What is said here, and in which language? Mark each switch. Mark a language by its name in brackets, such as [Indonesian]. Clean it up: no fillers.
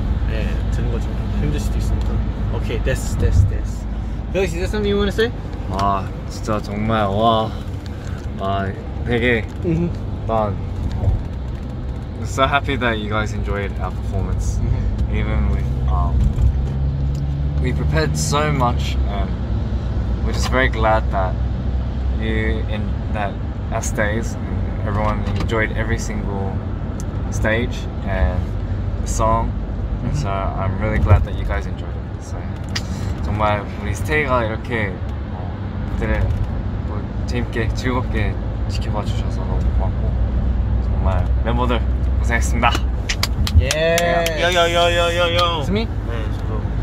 [Korean] 예 드는 거 좀 힘들 수도 있으니까. 오케이 됐어. 여기 진짜 선배님 원했어요? 아 진짜 정말 와 아 되게 난. [English] I'm so happy that you guys enjoyed our performance. Even with, we prepared so much, and we're just very glad that you and that our stays, everyone enjoyed every single stage and the song. Mm-hmm. So I'm really glad that you guys enjoyed it. [Korean] So, 정말 우리 스테이가 이렇게 그들을 재밌게 즐겁게 지켜봐 주셔서 너무 고맙고 정말 멤버들. 고생했습니다. 예. 야. 스미? 네, 저도.